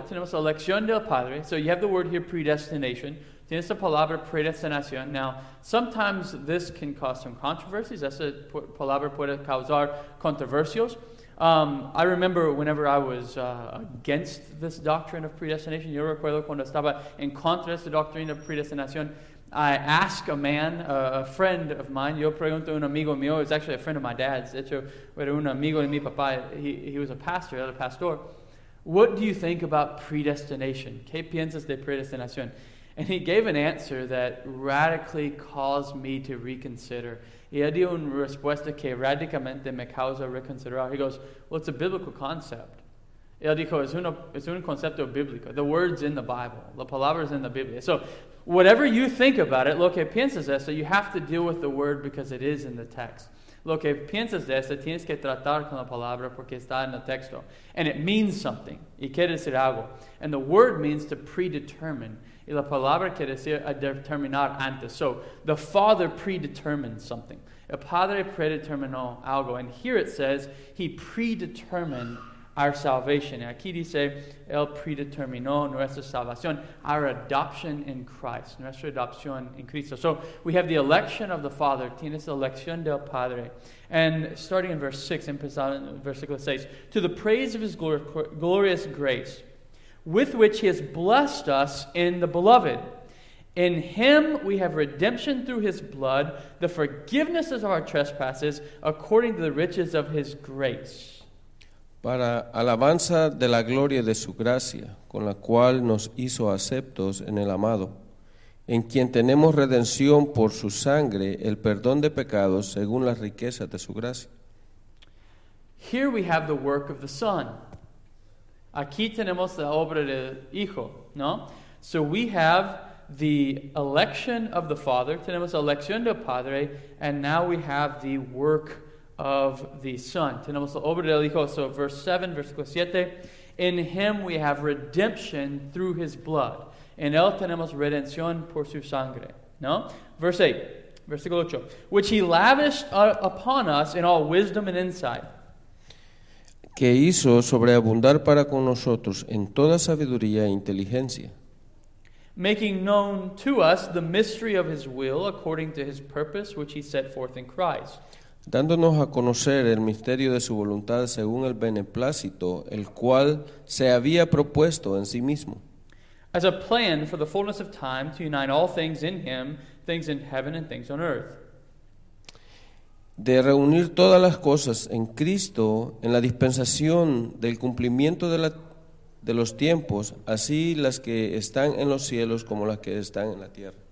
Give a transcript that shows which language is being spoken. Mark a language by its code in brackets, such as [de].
[es] Tenemos la elección del Padre. [en] So you have the word here, predestination. [es] Tienes la palabra predestinación. [en] Now, sometimes this can cause some controversies. [es] Esa palabra puede causar controversios. [en] I remember whenever I was against this doctrine of predestination. [es] Yo recuerdo cuando estaba en contra de esta doctrina de predestinación. [en] I asked a man, a friend of mine. [es] Yo pregunto a un amigo mío. [en] It's actually a friend of my dad's. [es] De hecho, era un amigo de mi papá. [en] He was a pastor, [es] era pastor. [en] What do you think about predestination? [es] ¿Qué piensas de predestinación? [en] And he gave an answer that radically caused me to reconsider. [es] Y él dio una respuesta que radicalmente me causa reconsiderar. [en] He goes, well, it's a biblical concept. [es] Y él dijo, es un concepto bíblico. [en] The word's in the Bible. [es] La palabra's [en] in the Biblia. So, whatever you think about it, [es] lo que piensas de eso, [en] you have to deal with the word because it is in the text. [es] Lo que piensas de eso, tienes que tratar con la palabra porque está en el texto. [en] And it means something. [es] Y quiere decir algo. [en] And the word means to predetermine. [es] Y la palabra quiere decir a determinar antes. [en] So, the Father predetermined something. [es] El Padre predeterminó algo. [en] And here it says, he predetermined our salvation. [es] Y aquí dice, él predeterminó nuestra salvación. [en] Our adoption in Christ. [es] Nuestra adopción en Cristo. [en] So, we have the election of the Father. [es] Tienes la elección del Padre. [en] And starting in verse 6, [es] empezando en versículo 6, [en] to the praise of his glorious grace, with which he has blessed us in the Beloved. In him we have redemption through his blood, the forgiveness of our trespasses, according to the riches of his grace. [es] Para alabanza de la gloria de su gracia, con la cual nos hizo aceptos en el amado, en quien tenemos redención por su sangre, el perdón de pecados, según las riquezas de su gracia. [en] Here we have the work of the Son. [es] Aquí tenemos la obra del Hijo, ¿no? [en] So we have the election of the Father, [es] tenemos la elección del Padre, [en] and now we have the work of the Son. [es] Tenemos la obra del Hijo, [en] so verse 7, [es] versículo 7, [en] in him we have redemption through his blood. [es] En él tenemos redención por su sangre, ¿no? [en] Verse 8, [es] versículo 8, [en] which he lavished upon us in all wisdom and insight, [es] que hizo sobreabundar para con nosotros en toda sabiduría e inteligencia, [en] making known to us the mystery of his will according to his purpose which he set forth in Christ, [es] dándonos a conocer el misterio de su voluntad según el beneplácito, el cual se había propuesto en sí mismo, [en] as a plan for the fullness of time to unite all things in him, things in heaven and things on earth, [es] de reunir todas las cosas en Cristo en la dispensación del cumplimiento de los tiempos, así las que están en los cielos como las que están en la tierra.